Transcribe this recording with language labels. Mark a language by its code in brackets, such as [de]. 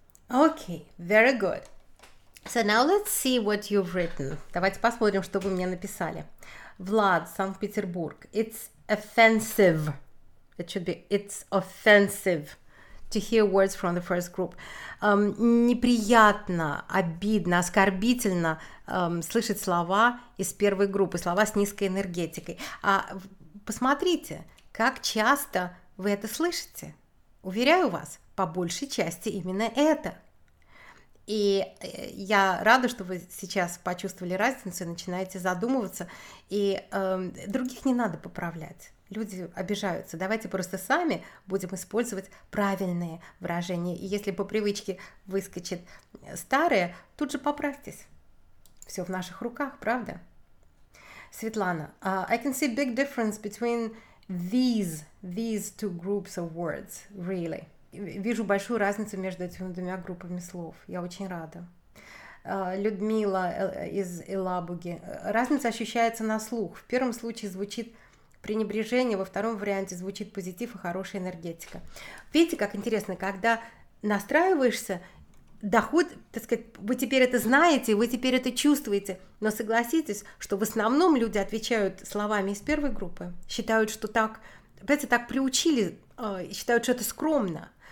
[en] Okay, very good. So now let's see what you've written. [ru] Давайте посмотрим, что вы мне написали. [en] Влад, Санкт-Петербург. It's offensive. It should be, it's offensive to hear words from the first group. [ru] Неприятно, обидно, оскорбительно слышать слова из первой группы, слова с низкой энергетикой. А посмотрите, как часто вы это слышите. Уверяю вас, по большей части именно это. И я рада, что вы сейчас почувствовали разницу и начинаете задумываться. И других не надо поправлять. Люди обижаются. Давайте просто сами будем использовать правильные выражения. И если по привычке выскочит старое, тут же поправьтесь. Все в наших руках, правда? [en] Светлана, I can see big difference between these two groups of words, really. [ru] Вижу большую разницу между этими двумя группами слов. Я очень рада. Людмила из Елабуги. Разница ощущается на слух. В первом случае звучит пренебрежение, во втором варианте звучит позитив и хорошая энергетика. Видите, как интересно, когда настраиваешься, доход, так сказать, вы теперь это знаете, вы теперь это чувствуете, но согласитесь, что в основном люди отвечают словами из первой группы, считают, что так, опять-таки, так приучили, считают, что это скромно.